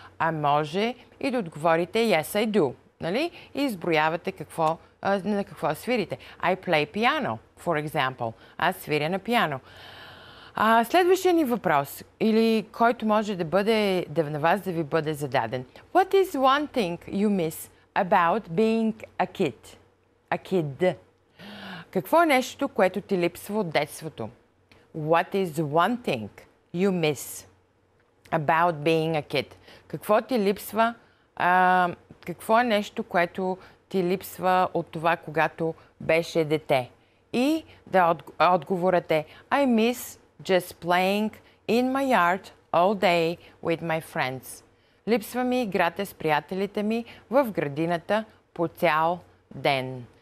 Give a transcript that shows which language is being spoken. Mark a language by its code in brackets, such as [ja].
[bg] А може и да отговорите [en] yes, I do. [bg] Нали? И изброявате какво на какво свирите. [en] I play piano, for example. [bg] Аз свиря на пиано. Следващия ни въпрос, или който може да бъде, да на вас да ви бъде зададен. [en] What is one thing you miss about being a kid? A kid. [bg] Какво е нещо, което ти липсва от детството? [en] What is one thing you miss about being a kid? [bg] Какво ти липсва? Какво е нещо, което ти липсва от това, когато беше дете. И да отговорът е [en] I miss just playing in my yard all day with my friends. [bg] Липсва ми играта с приятелите ми в градината по цял ден.